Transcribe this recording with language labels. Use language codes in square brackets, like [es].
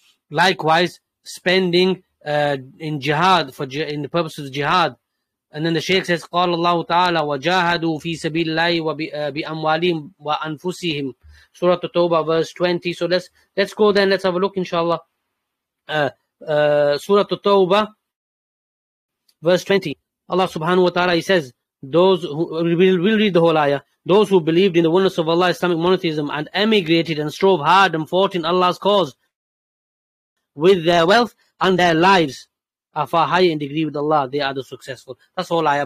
[en] Likewise, spending in jihad in the purpose of jihad. And then the Shaykh says, [ar] قال الله تعالى وجاهدوا في سبيل الله بأموالهم وأنفسهم. [en] Surah At-Tawbah, verse 20. So let's go then. Let's have a look, inshallah. Surah At-Tawbah, verse 20. Allah subhanahu wa ta'ala, he says, we'll read the whole ayah. Those who believed in the oneness of Allah, Islamic monotheism, and emigrated and strove hard and fought in Allah's cause with their wealth and their lives are far higher in degree with Allah. They are the successful. That's all ayah.